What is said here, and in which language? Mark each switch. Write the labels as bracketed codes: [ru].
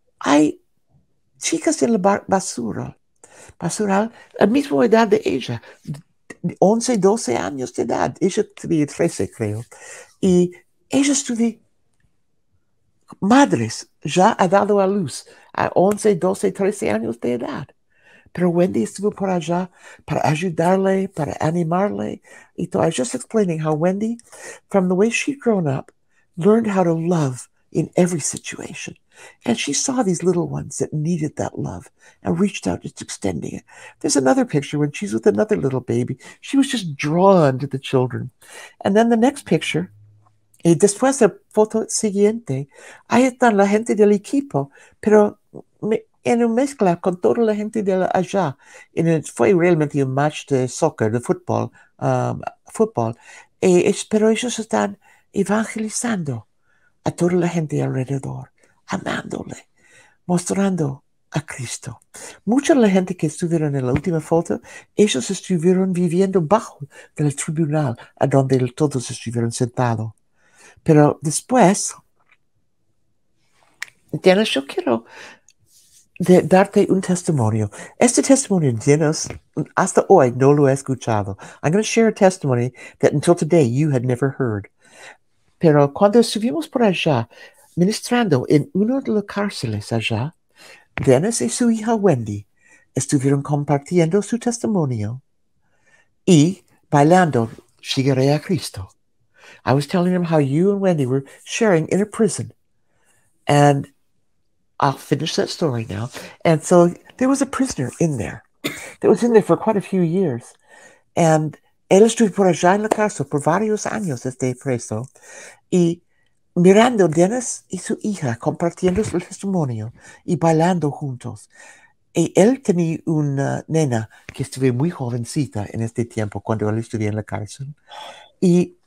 [es] Hay chicas en la basura, la misma edad de ella, 11, 12 años de edad. Ella tenía 13, creo. Y ella estuvo madres, ya ha dado a luz a 11, 12, 13 años de edad. Pero Wendy estuvo por allá para ayudarle, para animarle. [en] Y so I was just explaining how Wendy, from the way she'd grown up, learned how to love in every situation. And she saw these little ones that needed that love and reached out, just extending it. There's another picture when she's with another little baby. She was just drawn to the children. And then the next picture, [es] y después la foto siguiente, ahí están la gente del equipo, pero en una mezcla con toda la gente de allá. Y fue realmente un match de soccer, de fútbol, pero ellos están evangelizando a toda la gente alrededor, amándole, mostrando a Cristo. Mucha de la gente que estuvieron en la última foto, ellos estuvieron viviendo bajo del tribunal a donde todos estuvieron sentados. Pero después, Dennis, yo quiero darte un testimonio. Este testimonio, Dennis, hasta hoy no lo he escuchado. [en] I'm going to share a testimony that until today you had never heard. [es] Pero cuando estuvimos por allá, ministrando en uno de los cárceles allá, Dennis y su hija Wendy estuvieron compartiendo su testimonio y bailando Seguiré a Cristo. [en] I was telling them how you and Wendy were sharing in a prison. And I'll finish that story now. And so there was a prisoner in there that was in there for quite a few years. [es] And él estuvo por allá en la cárcel por varios años este preso. Y mirando Dennis y su hija compartiendo su testimonio y bailando juntos. Y él tenía una nena que estuvo muy jovencita en este tiempo cuando él estuvo en la cárcel. Y